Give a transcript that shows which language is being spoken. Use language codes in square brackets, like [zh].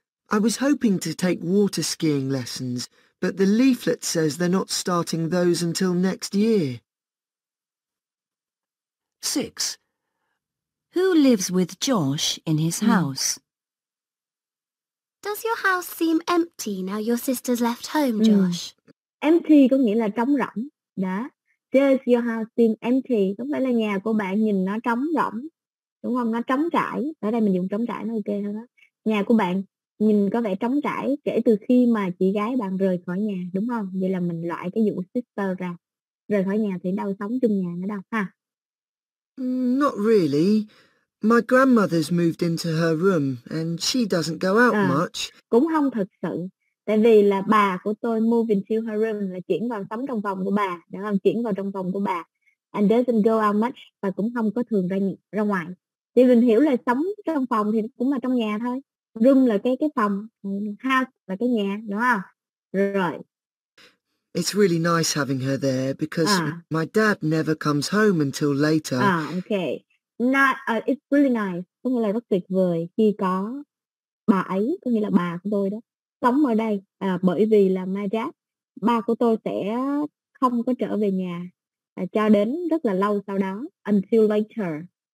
[en] I was hoping to take water skiing lessons, but the leaflet says they're not starting those until next year. 6. Who lives with Josh in his house? Does your house seem empty now your sister's left home, Josh? [vi] Empty có nghĩa là trống rỗng. Đó. [en] Does your house seem empty? [vi] Có phải là nhà của bạn nhìn nó trống rỗng. Đúng không? Nó trống trải. Ở đây mình dùng trống trải nó ok hơn đó. Nhà của bạn nhìn có vẻ trống trải kể từ khi mà chị gái bạn rời khỏi nhà. Đúng không? Vậy là mình loại cái vụ sister ra. Rời khỏi nhà thì đâu sống chung nhà nữa đâu. Ha? [en] Not really. My grandmother's moved into her room and she doesn't go out much. [vi] Cũng không thật sự. Tại vì là bà của tôi [en] moved into her room [vi] là chuyển vào sống trong phòng của bà. Đúng không? Chuyển vào trong phòng của bà. [en] And doesn't go out much [vi] và cũng không có thường ra ngoài. Thì mình hiểu là sống trong phòng thì cũng là trong nhà thôi. Room là cái phòng, house là cái nhà, đúng không? Rồi. [en] It's really nice having her there because my dad never comes home until later. It's really nice. [vi] Có nghĩa là rất tuyệt vời khi có bà ấy, có nghĩa là bà của tôi đó, sống ở đây. Bởi vì là my dad, ba của tôi sẽ không có trở về nhà cho đến rất là lâu sau đó. [en] Until later.